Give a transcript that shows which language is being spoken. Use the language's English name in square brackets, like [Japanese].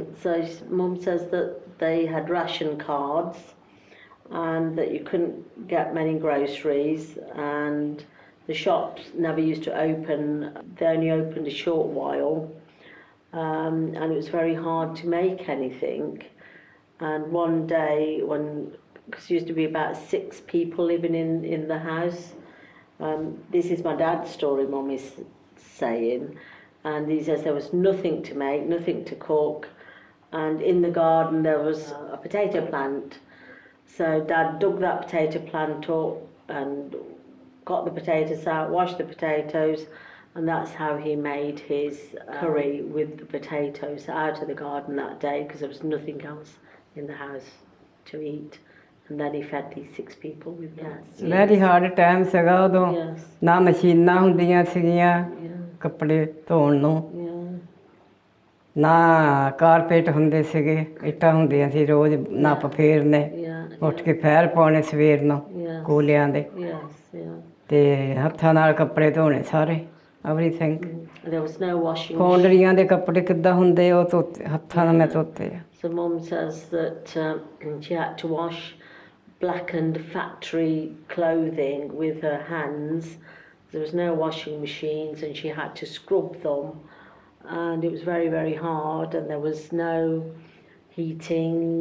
[English] Mum says that they had ration cards and that you couldn't get many groceries and the shops never used to open they only opened a short while and it was very hard to make anything. And one day, because there used to be about 6 people living in the house, this is my dad's story, Mum is saying, and he says there was nothing to make, nothing to cook, and in the garden there was a potato plant. So Dad dug that potato plant up and got the potatoes out, washed the potatoes, and that's how he made his curry with the potatoes out of the garden that day because there was nothing else in the house to eat. And then he fed these 6 people with that. Very hard time [Punjabi] saga odo. Na machine na hundiyan sigiyan. Kapde dhon nu. ਨਾ carpet ਹੁੰਦੇ ਸੀਗੇ, ਇੱਟਾਂ ਹੁੰਦੀਆਂ ਸੀ, ਰੋਜ਼ ਨੱਪ ਫੇਰਨੇ, ਉੱਠ ਕੇ fire ਪਾਉਣੇ ਸਵੇਰ ਨੂੰ ਕੋਲਿਆਂ ਦੇ, ਤੇ ਹੱਥਾਂ ਨਾਲ ਕੱਪੜੇ ਧੋਣੇ ਸਾਰੇ, ਐਵਰੀਥਿੰਗ. ਫੌਂਡਰੀਆਂ ਦੇ ਕੱਪੜੇ ਕਿੱਦਾਂ ਹੁੰਦੇ ਉਹ ਧੋਤੇ, ਹੱਥਾਂ ਨਾਲ ਮੈਂ ਧੋਤੇ ਆ. [English] So mom says that she had to wash blackened factory clothing with her hands. There was no washing machines and she had to scrub them. And it was very, very hard and there was no heating.